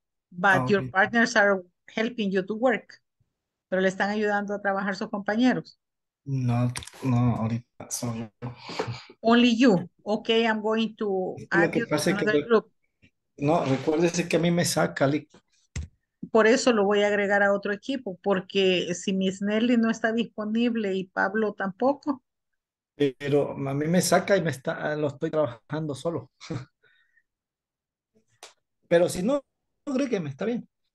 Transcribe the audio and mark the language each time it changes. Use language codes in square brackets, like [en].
[en] But okay. Your partners are helping you to work. [es] Pero le están ayudando a trabajar sus compañeros. No, ahorita solo. [en] Only you. Okay, I'm going to add you to another group. [es] No, recuérdese que a mí me saca. Por eso lo voy a agregar a otro equipo, porque si Miss Nelly no está disponible y Pablo tampoco. Pero a mí me saca y lo estoy trabajando solo. Pero si no, agrégueme, está bien.